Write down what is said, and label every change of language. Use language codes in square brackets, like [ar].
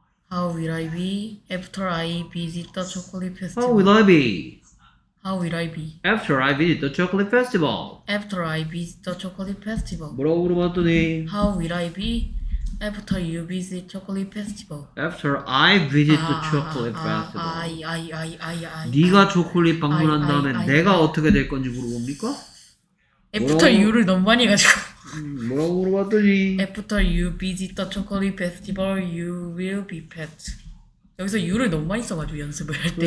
[en] How will I be after I visit the chocolate festival? How will I be? How will I be? After I visit the chocolate festival. After I visit the chocolate festival. [ko] 뭐라고 물어봤더니? [en] How will I be after you visit chocolate festival? After I visit the chocolate festival. [ko] 아, 네가 초콜릿 방문한 다음에 내가 어떻게 될 건지 물어봅니까? [en] After you [ko] 를 너무 많이 가지고. 뭐라고 물어봤더니 [en] After you visit the chocolate festival, you will be fat. [ko] 여기서 you를 너무 많이 써가지고 연습을 할 때.